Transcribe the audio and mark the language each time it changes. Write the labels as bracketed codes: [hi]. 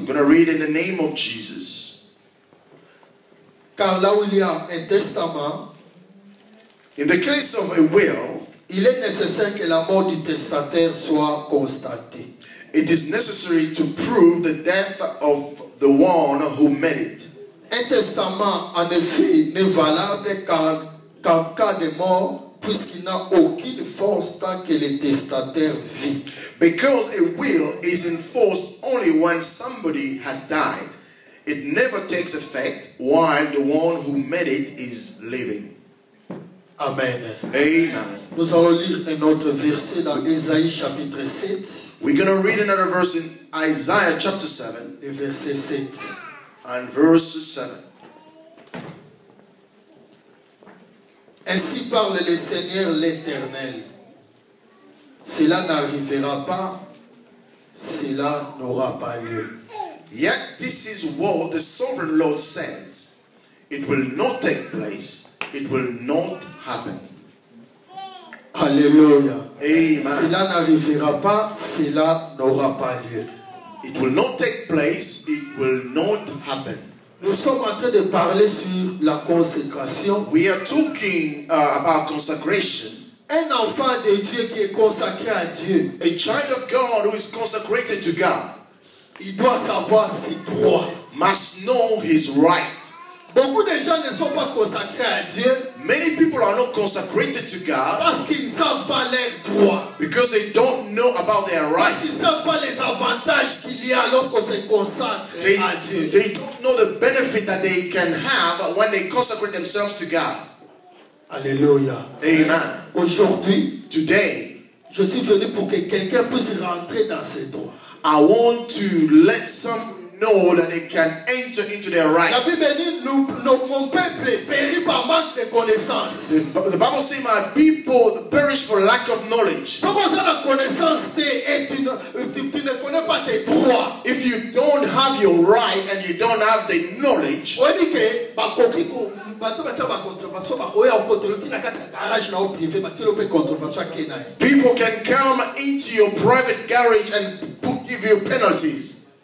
[en] I'm going to read in the name of Jesus. [fr] Car là où il y a un testament, [en] in the case of a will, [fr] il est nécessaire que la mort du testateur soit constatée. [en] It is necessary to prove the death of the one who made it. [fr] Un testament, en effet, n'est valable qu'en cas de mort, puisqu'il n'a aucune force tant que le testateur vit. [en] Because a will is enforced only when somebody has died. It never takes effect while the one who made it is living. Amen. Amen. [fr] Nous allons lire un autre verset dans Ésaïe chapitre 7. [en] We're going to read another verse in Isaiah chapter 7. [fr] Et verset 7. [en] And verse 7. [fr] Ainsi parle le Seigneur l'Éternel. Cela n'arrivera pas, cela n'aura pas lieu. [en] Yet this is what the sovereign Lord says. It will not take place, it will not happen. Alléluia. Amen. [fr] Cela n'arrivera pas, cela n'aura pas lieu. [en] It will not take place, it will not happen. [fr] Nous sommes en train de parler sur la consécration. [en] We are talking about consecration. [fr] Un enfant de Dieu qui est consacré à Dieu. [en] A child of God who is consecrated to God. [fr] Il doit savoir ses droits. [en] Must know his right. [fr] Beaucoup de gens ne sont pas consacrés à Dieu. [en] Many people are not consecrated to God. [fr] Parce qu'ils ne savent pas leurs droits. [en] Because they don't know about their rights. [fr] Parce qu'ils ne savent pas les avantages qu'il y a lorsqu'on se consacre à Dieu. [en] They don't know the benefit that they can have when they consecrate themselves to God. Alléluia. Amen. [fr] Aujourd'hui, [en] today, [fr] je suis venu pour que quelqu'un puisse rentrer dans ses droits. [en] I want to let some know that they can enter into their right. [fr] La Bible dit, mon peuple périt par manque de connaissance. [en] The Bible says, my people perish for lack of knowledge. [fr] Sans quoi ça la connaissance, tu ne connais pas tes droits. [en] If you don't have your right and you don't have the knowledge, [fr] on dit que, [en] people can come into your private garage and give you penalties.